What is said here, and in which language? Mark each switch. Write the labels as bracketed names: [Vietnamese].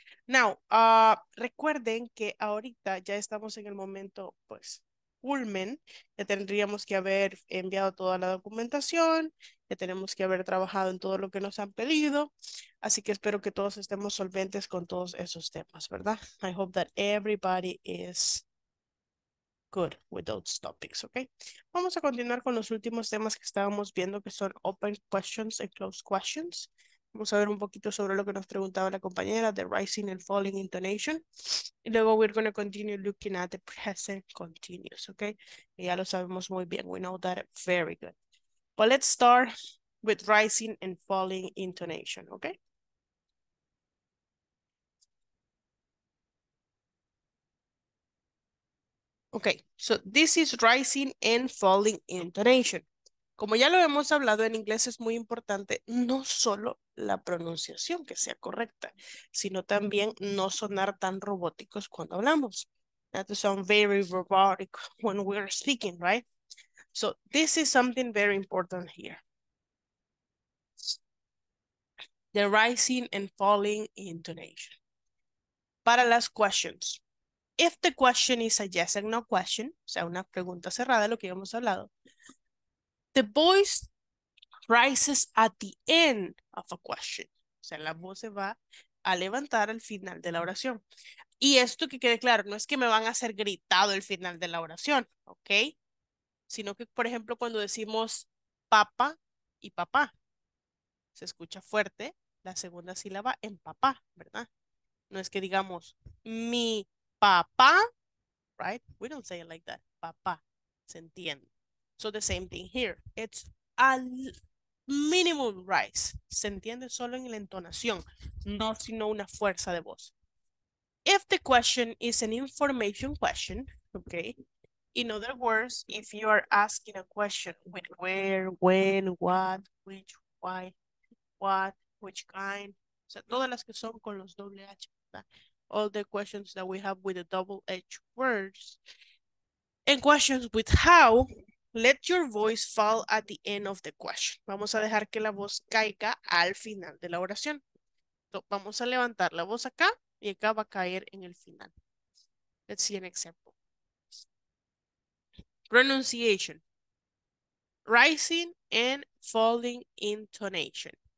[Spanish] Now, recuerden que ahorita ya estamos en el momento, pues, culmen. Ya tendríamos que haber enviado toda la documentación, ya tenemos que haber trabajado en todo lo que nos han pedido. Así que espero que todos estemos solventes con todos esos temas, ¿verdad? [English] I hope that everybody is good with those topics, okay? [Spanish] Vamos a continuar con los últimos temas que estábamos viendo, que son [English] open questions and closed questions. [Spanish] Vamos a ver un poquito sobre lo que nos preguntaba la compañera, [English] the rising and falling intonation. [Spanish] Y luego [English] we're going to continue looking at the present continuous, okay? [Spanish] Y ya lo sabemos muy bien. [English] We know that very good. But let's start with rising and falling intonation, okay? Okay, so this is rising and falling intonation. [Spanish] Como ya lo hemos hablado, en inglés es muy importante no solo la pronunciación que sea correcta, sino también no sonar tan robóticos cuando hablamos. [English] That sound very robotic when we're speaking, right? So this is something very important here. The rising and falling intonation. [Spanish] Para las [English] questions. If the question is a yes and no question, [Spanish] o sea, una pregunta cerrada, lo que ya hemos hablado, [English] the voice rises at the end of a question. [Spanish] O sea, la voz se va a levantar al final de la oración. Y esto que quede claro, no es que me van a hacer gritado al final de la oración, ¿ok? Sino que, por ejemplo, cuando decimos papa y papá, se escucha fuerte la segunda sílaba en papá, ¿verdad? No es que digamos mi papá, [English] right? We don't say it like that. Papá, [Spanish] se entiende. [English] So the same thing here. It's a minimal rise. [Spanish] Se entiende solo en la entonación, no sino una fuerza de voz. [English] If the question is an information question, okay? In other words, if you are asking a question with where, when, what, which, why, what, which kind, [Spanish] o sea, todas las que son con los doble H, ¿verdad? [English] All the questions that we have with the double H words, and questions with how, let your voice fall at the end of the question. [Spanish] Vamos a dejar que la voz caiga al final de la oración. Entonces, vamos a levantar la voz acá y acá va a caer en el final. [English] Let's see an example. Pronunciation. rising and falling intonation.